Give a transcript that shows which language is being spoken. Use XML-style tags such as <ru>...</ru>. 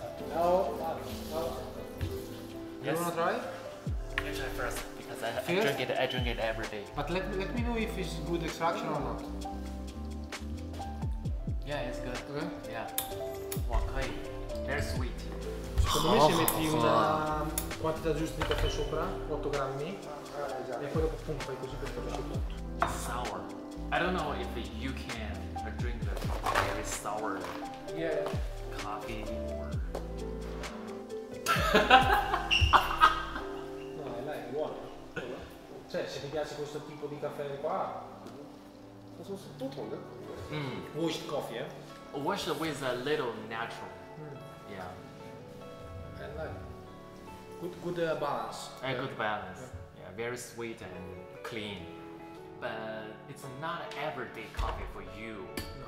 <en>No. You wanna try? You try first, because I drink it every day. But let me know if it's good extraction or not. Yeah, it's good. Okay. Yeah. Wow, 可以 Very sweet.</en> <it>Secondo me ci metti una quantità giusta di caffè sopra, 8 grammi, e poi dopo pum, fai così per farlo sopra.</it> <en>It's sour. I don't know if you can drink the very sour coffee anymore.</en> <it>No, è buono. Cioè, se ti piace questo tipo di caffè qua... Sono tutto,</it> <en>eh? Washed coffee, eh? Washed with a little natural. Yeah. Good balance. A good balance. Yeah, very sweet and clean. But it's not an everyday coffee for you. No.</en>